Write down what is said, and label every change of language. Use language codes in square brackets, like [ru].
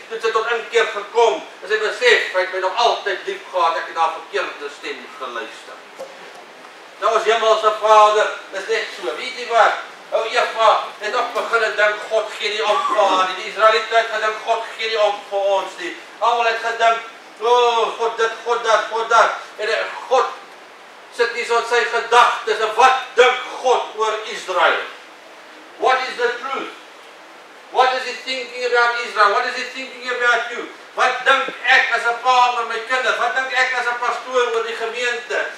[af] Toe sy tot inkeer gekom, het sy besef, hy het my nog altyd lief gehad, ek het haar verkeerde stem geluister. Nou ons hemelse Vader is net so, weet jy wat? Ou Eva het ook begin dink, God gee nie om vir haar nie. Die Israeliete het gedink, God gee nie om vir ons nie. Almal het gedink, oh, God dit, God dat, God dat. En God sit nie so in sy gedagtes, wat dink God oor Israel? [en] What is the truth? What is he thinking about Israel? What is he thinking about you? [af] Wat dink ek as 'n pa oor my kinders? Wat dink ek as 'n pastoor oor die gemeente?